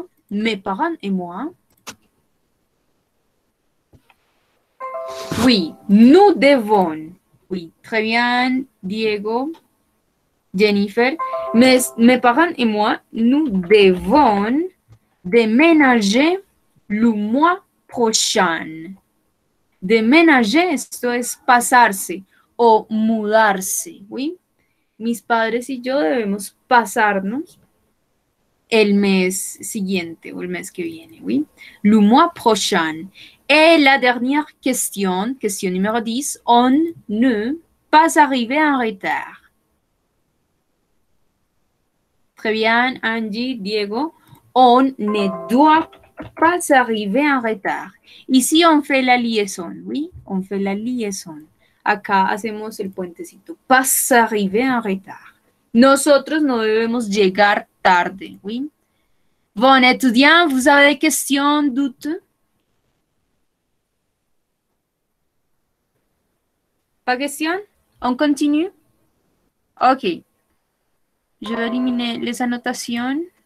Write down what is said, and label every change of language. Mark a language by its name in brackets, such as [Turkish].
[French] Mes parents et moi, oui, nous devons. Oui, très bien, Diego, Jennifer. Mes parents et moi, nous devons déménager le mois prochain. [Spanish] Déménager, esto es pasarse o mudarse. Oui, mis padres y yo debemos pasarnos el mes siguiente o el mes que viene. [French] Oui, le mois prochain. Et la dernière question, question numéro 10, on ne pas arriver en retard. Très bien, Angie, Diego. On ne doit pas arriver en retard. Ici, on fait la liaison, oui? On fait la liaison. [Spanish] Acá hacemos el puentecito. [French] Pas arriver en retard. [Spanish] Nosotros no debemos llegar tarde, oui? [French] Bon, étudiant, vous avez des questions, doutes? Pas question? On continue? Ok. Je vais éliminer les annotations.